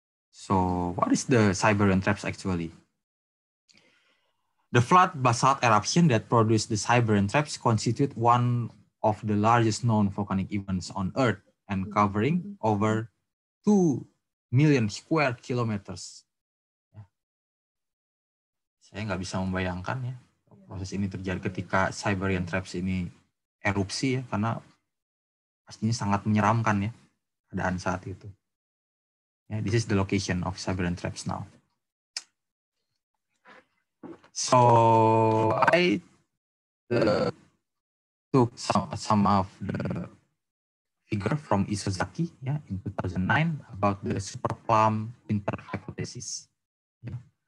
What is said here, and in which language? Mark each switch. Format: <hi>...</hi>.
<en>So what is the Siberian traps actually? The flood basalt eruption that produced the Siberian traps constitute one of the largest known volcanic events on Earth and covering over 2 million square kilometers.</en> <id>Saya nggak bisa membayangkan, ya, proses ini terjadi ketika Siberian traps ini erupsi, ya, karena pastinya sangat menyeramkan, ya, keadaan saat itu.</id> <en>Yeah, this is the location of Siberian traps now. So I took some of the figure from Isozaki, yeah, in 2009 about the superplum winter hypothesis. Yeah.</en>